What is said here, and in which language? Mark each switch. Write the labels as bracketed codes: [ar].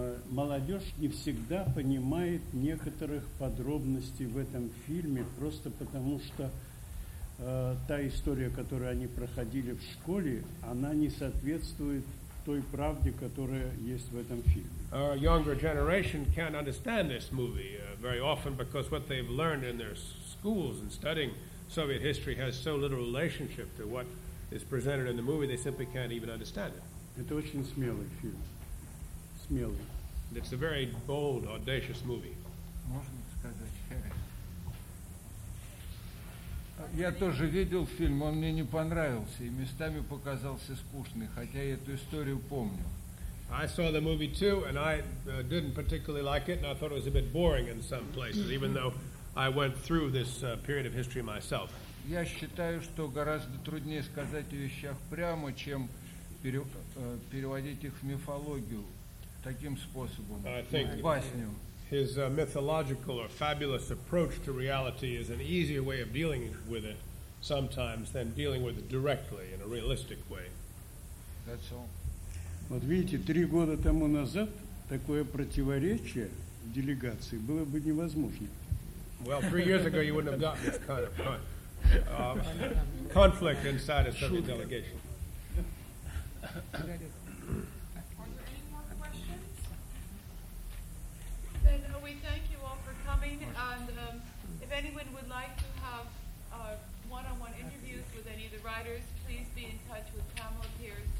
[ru] молодежь не всегда понимает некоторых подробностей в этом фильме, просто потому что та история, которую они проходили в школе, она не соответствует той правде, которая есть в этом фильме. [en] Our younger generation can't understand this movie very often because what they've learned in their schools and studying Soviet history has so little relationship to what is presented in the movie, they simply can't even understand it. [ru] Это очень смелый фильм. Смелый. [en] And it's a very bold, audacious movie. [ru] Можно сказать? Я тоже видел фильм, он мне не понравился и местами показался скучным, хотя я эту историю помню. [en] I saw the movie too, and I didn't particularly like it, and I thought it was a bit boring in some places, even though I went through this period of history myself. [ru] Я считаю, что гораздо труднее сказать о вещах прямо, чем переводить их в мифологию таким способом, в басню. [en] His mythological or fabulous approach to reality is an easier way of dealing with it sometimes than dealing with it directly in a realistic way. That's all. [ru] Вот видите, три года тому назад такое противоречие в делегации было бы невозможно. [en] Well, 3 years ago you wouldn't have gotten this kind of conflict inside a Soviet delegation. Are there any more questions? Then we thank you all for coming, and if anyone would like to have one-on-one interviews with any of the writers, please be in touch with Pamela Pierce.